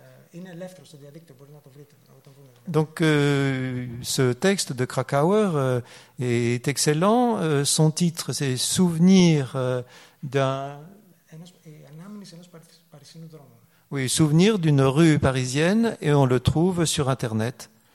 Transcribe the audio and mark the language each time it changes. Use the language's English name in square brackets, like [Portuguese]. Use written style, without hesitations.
[Greek] Είναι ελεύθερο στο διαδίκτυο, μπορείτε να το βρείτε. [French] Donc, ce texte de Krakauer est excellent. Son titre, c'est «Souvenir d'un...» [Greek] «Η ανάμνηση ενός παρισινού δρόμου». [French] Oui, «Souvenir d'une rue parisienne» et on le trouve sur Internet.